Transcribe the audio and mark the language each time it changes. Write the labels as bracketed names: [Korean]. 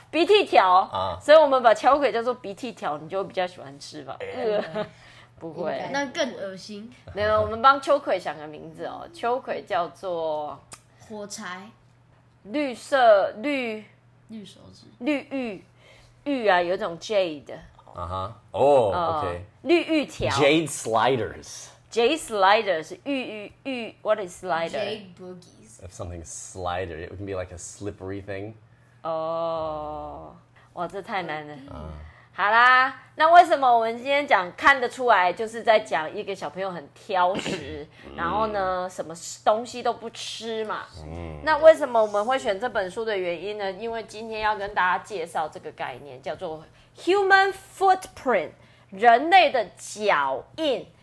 [Chinese] 鼻涕条、所以我们把秋葵叫做鼻涕条你就会比较喜欢吃吧、不会、okay. 那更恶心没有我们帮秋葵想个名字哦秋葵叫做火柴绿色绿绿手指绿玉玉啊，有一种 jade 啊哈哦 OK 绿玉条 [English] jade sliders Jade sliders, 玉, what is slider? Jade boogies. If something's slider, it can be like a slippery thing. [Chinese] Oh, 哇，这太难了。好啦，那为什么我们今天讲看得出来，就是在讲一个小朋友很挑食，然后呢，什么东西都不吃嘛。那为什么我们会选这本书的原因呢？因为今天要跟大家介绍这个概念，叫做 human footprint, 人类的脚印。